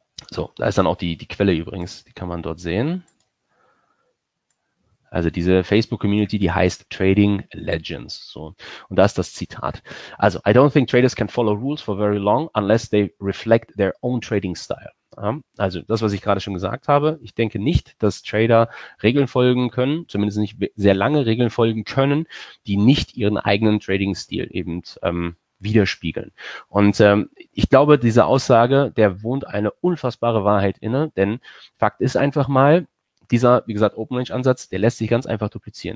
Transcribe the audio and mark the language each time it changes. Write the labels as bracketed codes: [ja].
[de] So, da ist dann auch die Quelle übrigens, die kann man dort sehen. Also diese Facebook-Community, die heißt Trading Legends. So, und da ist das Zitat. [en] Also, I don't think traders can follow rules for very long unless they reflect their own trading style. [de] Also das, was ich gerade schon gesagt habe, ich denke nicht, dass Trader Regeln folgen können, zumindest nicht sehr lange Regeln folgen können, die nicht ihren eigenen Trading-Stil eben widerspiegeln. Und ich glaube, diese Aussage, der wohnt eine unfassbare Wahrheit inne, denn Fakt ist einfach mal, dieser, wie gesagt, Open-Range-Ansatz, der lässt sich ganz einfach duplizieren.